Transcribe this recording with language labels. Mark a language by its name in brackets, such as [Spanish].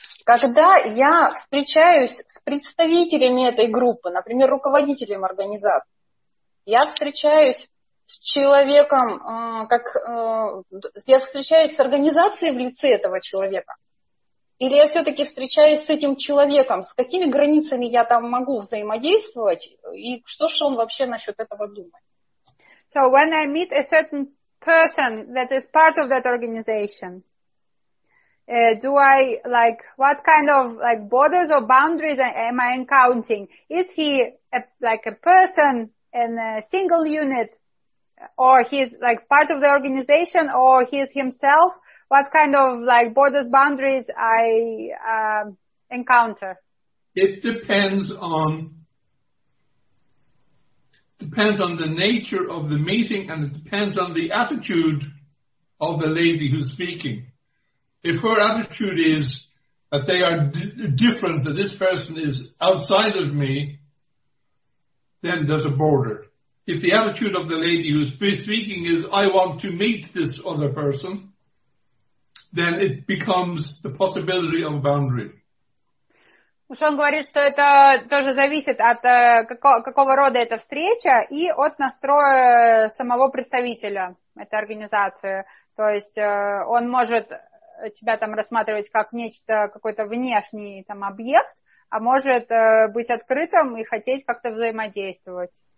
[Russian] Когда я встречаюсь с представителями этой группы, например, руководителем организации, я встречаюсь с человеком, я встречаюсь с организацией в лице этого человека, или я все-таки встречаюсь с этим человеком, с какими границами я там могу взаимодействовать, и что же он вообще насчет этого думает? [English] So when I meet a certain person that is part of that organization, do I, like, what kind of, like, borders or boundaries am I encountering? Is he, a person in a single unit, or he's, like, part of the organization, or he's himself? What kind of, like, borders, boundaries I encounter? It depends on the nature of the meeting, and it depends on the attitude of the lady who's speaking. If her attitude is that they are different, that this person is outside of me, then there's a border. If the attitude of the lady who's speaking is, I want to meet this other person, then it becomes the possibility of a boundary. [Russian] Уж он говорит, что это тоже зависит от какого рода эта встреча и от настроя самого представителя этой организации. То есть он может тебя там рассматривать как нечто, какой-то внешний там объект, а может быть открытым и хотеть как-то взаимодействовать.